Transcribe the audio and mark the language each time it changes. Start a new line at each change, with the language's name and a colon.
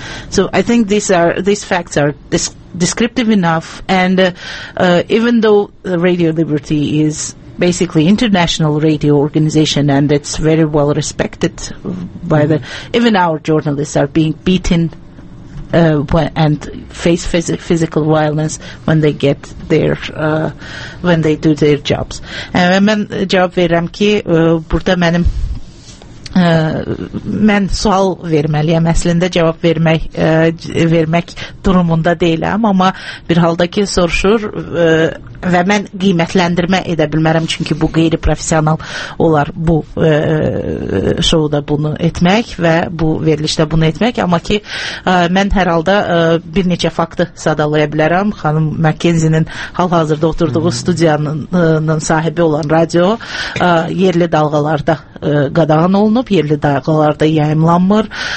English: So I think these facts are descriptive enough, and even though the Radio Liberty is basically international radio organization and it's very well respected by even our journalists are being beaten and face physical violence when they get their when they do their jobs.
Azerbaijani: Mən cavab verirəm ki, burada mənim mən sual verməliyəm, əslində cavab vermək durumunda deyiləm, amma bir halda ki, soruşur və mən qiymətləndirmə edə bilmərəm, çünki bu qeyri-professional olar bu şovda bunu etmək və bu verilişdə bunu etmək, amma ki, mən hər halda bir neçə faktı sadalaya bilərəm. Xanım McKenzie-nin hal-hazırda oturduğu studiyanın sahibi olan radio yerli dalğalarda qadağan olunub, yerli dalğalarda yayımlanmır.